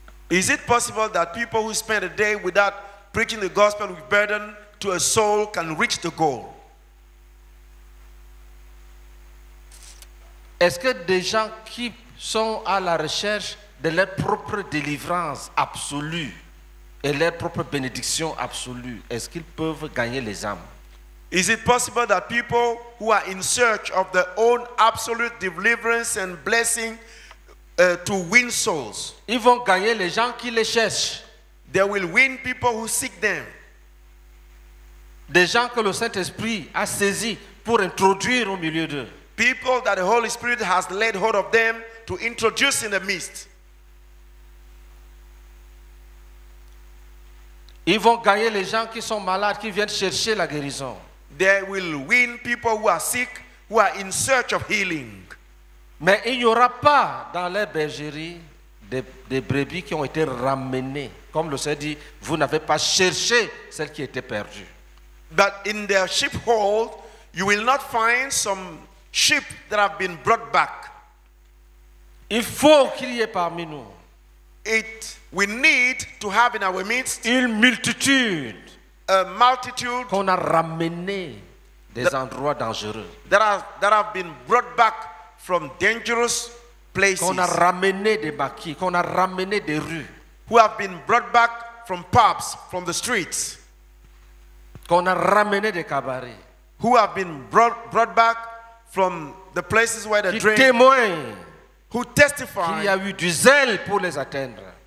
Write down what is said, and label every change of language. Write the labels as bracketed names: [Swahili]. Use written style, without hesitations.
[English] Is it possible that people who spend a day without preaching the gospel with burden to a soul can reach the goal? [French] Est-ce que des gens qui sont à la recherche de leur propre délivrance absolue et leur propre bénédiction absolue, est-ce qu'ils peuvent gagner les âmes? [English] Is it possible that people who are in search of their own absolute deliverance and blessing to win souls? [French] Ils vont gagner les gens qui les cherchent. [English] They will win people who seek them. [French] Des gens que le Saint-Esprit a saisi pour introduire au milieu d'eux. [English] People that the Holy Spirit has laid hold of them to introduce in the midst. [French] Ils vont gagner les gens qui sont malades, qui viennent chercher la guérison. [English] They will win people who are sick, who are in search of healing. [French] Mais il n'y aura pas dans leur bergerie des brebis qui ont été ramenées. Comme le Seigneur dit, vous n'avez pas cherché celles qui étaient perdues. [English] But in their sheepfold, you will not find some sheep that have been brought back. [French] Il faut qu'il y ait parmi nous. [English] We need to have in our midst [French] une multitude. [English] A multitude [French] qu'on a ramené des endroits dangereux. [English] That have been brought back from dangerous places. [French] Qu'on a ramené des maquis, qu'on a ramené des rues. [English] Who have been brought back from pubs, from the streets. [French] Qu'on a ramené des cabarets. [English] Who have been brought back from the places where they drink. [French] Qui témoigne. [English] Who testify. [French] Qu'il y a eu du zèle pour les atteindre.